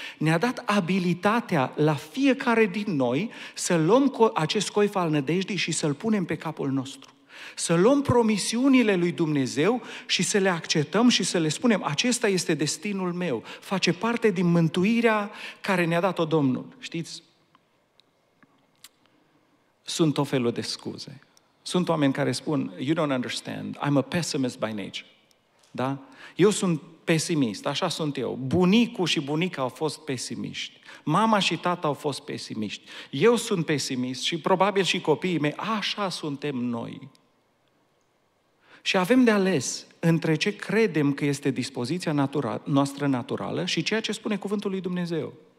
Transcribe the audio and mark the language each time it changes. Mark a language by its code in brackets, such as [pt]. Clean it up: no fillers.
[ro] Ne-a dat abilitatea la fiecare din noi să luăm acest coif al nădejdii și să-l punem pe capul nostru. Să luăm promisiunile lui Dumnezeu și să le acceptăm și să le spunem, acesta este destinul meu, face parte din mântuirea care ne-a dat-o Domnul. Știți? Sunt o felul de scuze. Sunt oameni care spun, [en] you don't understand, I'm a pessimist by nature. [ro] Da? Eu sunt pesimist, așa sunt eu. Bunicul și bunica au fost pesimiști. Mama și tata au fost pesimiști. Eu sunt pesimist și probabil și copiii mei, așa suntem noi. Și avem de ales între ce credem că este dispoziția noastră naturală și ceea ce spune cuvântul lui Dumnezeu.